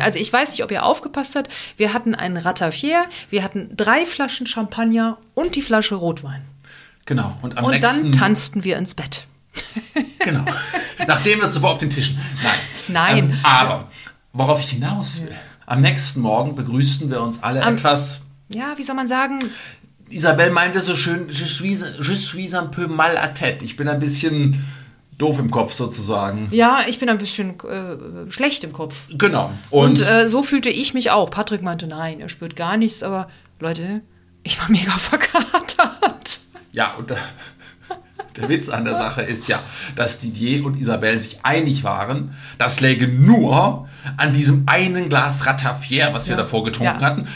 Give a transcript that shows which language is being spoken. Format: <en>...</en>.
<de>Also ich weiß nicht, ob ihr aufgepasst habt. Wir hatten einen Ratafière, wir hatten drei Flaschen Champagner und die Flasche Rotwein. Genau. Und dann tanzten wir ins Bett. Genau. Nachdem wir zuvor auf den Tischen. Nein. Nein. Aber worauf ich hinaus will, am nächsten Morgen begrüßten wir uns alle etwas. Ja, wie soll man sagen? Isabel meinte so schön,</de> <fr>je suis un peu mal à tête.</fr> <de>Ich bin ein bisschen doof im Kopf sozusagen. Ja, ich bin ein bisschen schlecht im Kopf. Genau. Und so fühlte ich mich auch. Patrick meinte, nein, er spürt gar nichts. Aber Leute, ich war mega verkatert. Ja, und der Witz an der Sache ist ja, dass Didier und Isabel sich einig waren, das läge nur an diesem einen Glas Ratafière, was wir davor getrunken hatten.</de>